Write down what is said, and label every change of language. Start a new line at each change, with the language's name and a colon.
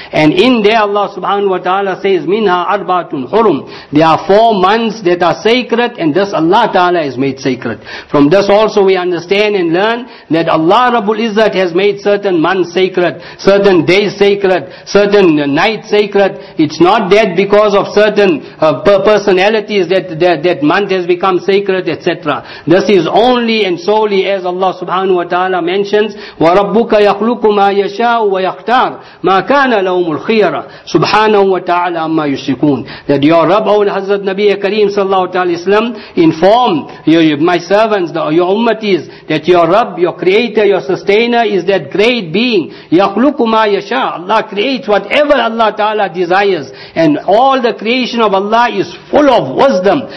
English: And in there Allah subhanahu wa ta'ala says
Arabic: minha arbaatun hurum,
English: there are 4 months that are sacred, and thus Allah Ta'ala is made sacred. From this also we understand and learn that Allah Rabbul Izzat has made certain months sacred, certain days sacred, certain nights sacred. It's not that because of certain personalities that month has become sacred, etc. This is only and solely as Allah Subhanahu wa Ta'ala mentions,
Arabic: وَرَبُّكَ يَخْلُقُ مَا يَشَاءُ وَيَخْتَارُ مَا كَانَ لَهُمُ الْخِيَرَةُ سُبْحَانَهُ وَتَعَالَى أَمَّا يُشْرِكُونَ.
English: That your Rabb, O Hazrat Nabi Kareem sallallahu alaihi wasallam, inform my servants, your ummatis, that your Rabb, your creator, your sustainer is that great being.
Arabic: يَخْلُقُ مَا يَشَاءُ.
English: Allah creates whatever Allah Ta'ala desires. And all the creation of Allah is full of wisdom.